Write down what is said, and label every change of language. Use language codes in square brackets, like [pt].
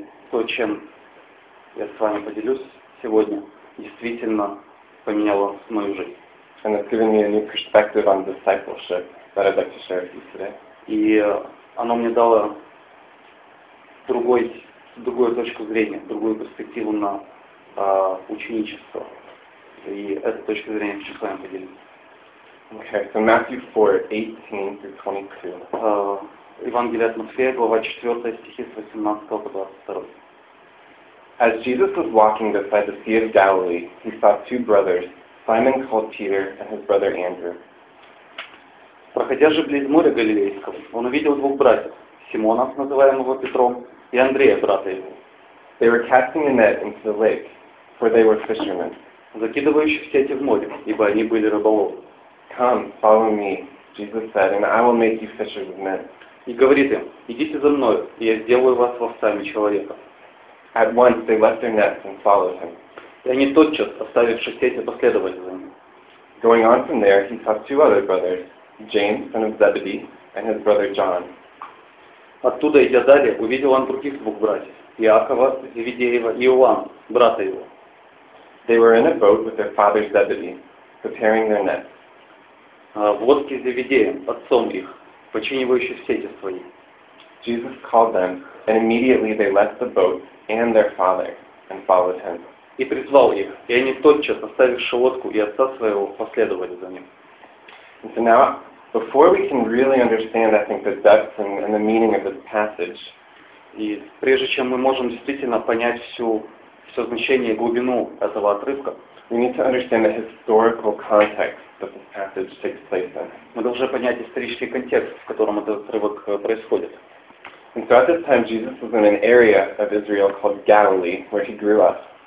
[ru] то, чем я с вами поделюсь сегодня, действительно поменяло мою жизнь. [en] And it's given me a new perspective on discipleship that I'd like to share with you today. [ru] Оно мне дало другую точку зрения, другую перспективу на ученичество. И эта точка зрения хочу с вами поделиться. [en] Okay, so Matthew 4, 18-22. [ru] Евангелие от Матфея, глава 4, стихи с 18 по 22. [en] As Jesus was walking beside the Sea of Galilee, he saw two brothers, Simon called Peter and his brother Andrew. [ru] Проходя же близ моря Галилейского, он увидел двух братьев, Симона, называемого Петром, и Андрея, брата его. [en] They were casting a net into the lake, for they were fishermen. [ru] Закидывающих сети в море, ибо они были рыболовы. [en] Come, follow me, Jesus said, and I will make you fishers of men. [ru] И говорит им, идите за мной, и я сделаю вас ловцами человека. [en] At once they left their nets and followed him. [ru] И они тотчас, оставивши сети, последовали за ним. [en] Going on from there, he saw two other brothers, James, son of Zebedee, and his brother John. [ru] Оттуда, идя далее, увидел он других двух братьев, Иакова, Зеведеева и Иоанна, брата его. [en] They were in a boat with their father Zebedee, preparing their nets. [ru] В лодке Зеведеем, отцом их, починивающий сети свои. [en] Jesus called them, and immediately they left the boat and their father, and followed him. [ru] И призвал их, и они тотчас, оставивши лодку и отца своего, последовали за ним. [en] And so now, before we can really understand, I think, the depth and the meaning of this passage, [ru] И прежде чем мы можем действительно понять все значение и глубину этого отрывка, [en] we need to understand the historical context that this passage takes place in. [ru] Мы должны понять исторический контекст, в котором этот отрывок происходит. [en] And so at this time Jesus was in an area of Israel called Galilee, where he grew up.